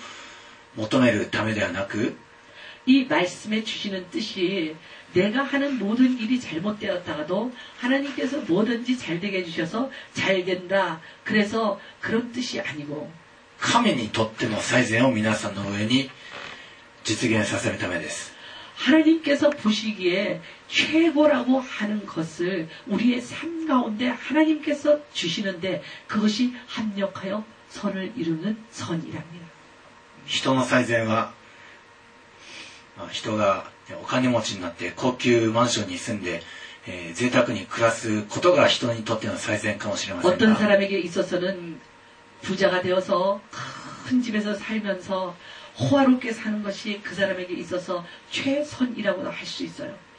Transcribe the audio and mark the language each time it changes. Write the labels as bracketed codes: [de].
[ja] それは単に人が好き勝手に自分の良かれ、自分の益を求めるためではなく、이 [ko] 말씀에 주시는 뜻이 내가 하는 모든 일이 잘못되었다가도 하나님께서 뭐든지 잘되게 해주셔서 잘된다. 그래서 그런 뜻이 아니고 [ja] 神にとっての最善を皆さんの上に実現させるためです。 [ko] 하나님께서 보시기에 최고라고 하는 것을 우리의 삶 가운데 하나님께서 주시는데 그것이 합력하여 선을 이루는 선이랍니다. [ja] 人の最善は人が お金持ちになって高級マンションに住んで贅沢に暮らすことが人にとっての最善かもしれません。 [ko] 어떤 사람에게 있어서는 부자가 되어서 큰 집에서 살면서 호화롭게 사는 것이 그 사람에게 있어서 최선이라고도 할 수 있어요.